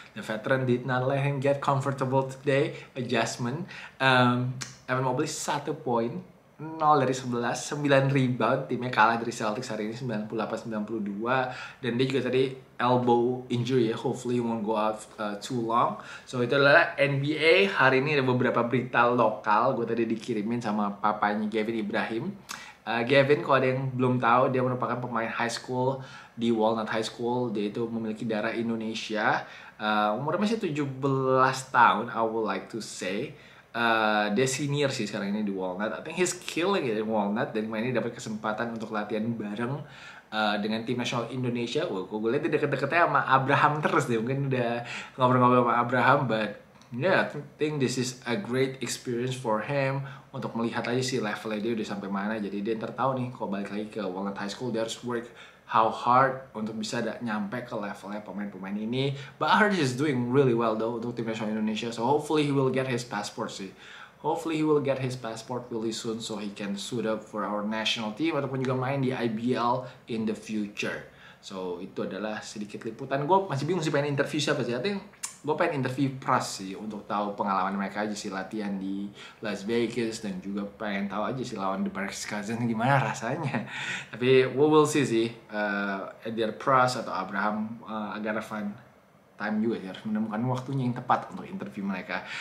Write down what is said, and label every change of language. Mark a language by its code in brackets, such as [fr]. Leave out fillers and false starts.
[en] The veteran did not let him get comfortable today. [id] Adjustment. Evan Mobley 1 poin. 0 dari 11, 9 rebound, timnya kalah dari Celtics hari ini 98-92. Dan dia juga tadi [en] elbow injury ya, hopefully won't go out too long. [id] So itu adalah NBA, hari ini ada beberapa berita lokal, gue tadi dikirimin sama papanya Gavin Ibrahim. Gavin kalau ada yang belum tahu, dia merupakan pemain high school di Walnut High School, dia itu memiliki darah Indonesia. Umurnya masih 17 tahun, [en] I would like to say. [id] Dia senior sih sekarang ini di Walnut. [en] I think he's killing it in Walnut. [id] Dan mainnya dapat kesempatan untuk latihan bareng dengan tim nasional Indonesia. Wah, kok gue liat dia deket-deketnya sama Abraham terus deh. Mungkin udah ngobrol-ngobrol sama Abraham. [en] But yeah, I think this is a great experience for him. [id] Untuk melihat aja sih levelnya dia udah sampai mana. Jadi dia ntar tahu nih, kalau balik lagi ke Walnut High School, dia harus [en] work how hard [id] untuk bisa nyampe ke levelnya pemain-pemain ini. [en] But I heard he's doing really well though [id] untuk tim nasional Indonesia. [en] So hopefully he will get his passport sih. Hopefully he will get his passport really soon so he can suit up for our national team [id] ataupun juga main di IBL [en] in the future. [id] So itu adalah sedikit liputan. Gue masih bingung sih pengen interview siapa sih. [en] I think [id] gue pengen interview Pras sih untuk tahu pengalaman mereka aja sih latihan di Las Vegas. Dan juga pengen tahu aja sih lawan The Berks Cousins gimana rasanya. Tapi [en] we will see [id] sih. Either Pras atau Abraham agar [en] find time [id] juga sih. Harus menemukan waktunya yang tepat untuk interview mereka.